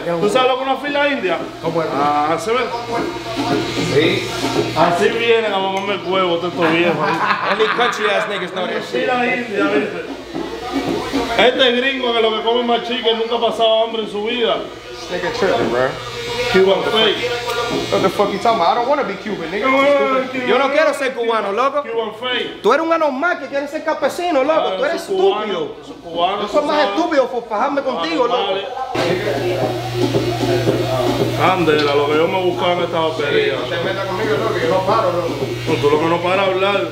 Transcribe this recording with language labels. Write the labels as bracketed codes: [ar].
[es] ¿Tú sabes lo que es una fila india? ¿Cómo es? Ah, se ve. Sí. Así vienen a mamarme el huevo, todo esto viejo. [en] Only country ass niggas know this. [es] Fila india, ¿viste? Este gringo que lo que come más chica nunca ha pasado hambre en su vida. [en] Take a trip, bro. Cuban fake. What the fuck you talking about? I don't want to be Cuban, nigga. [es] Yo no quiero ser cubano, loco. [en] Cuban fake. [es] Tú eres un anormal que quieres ser campesino, loco. Tú eres estúpido. Cubano. Yo soy más estúpido por fajarme contigo, loco. Candela, lo que yo me buscaba en esta batería. No te metas conmigo, loco, yo no paro, loco. Tú lo que no paras hablar.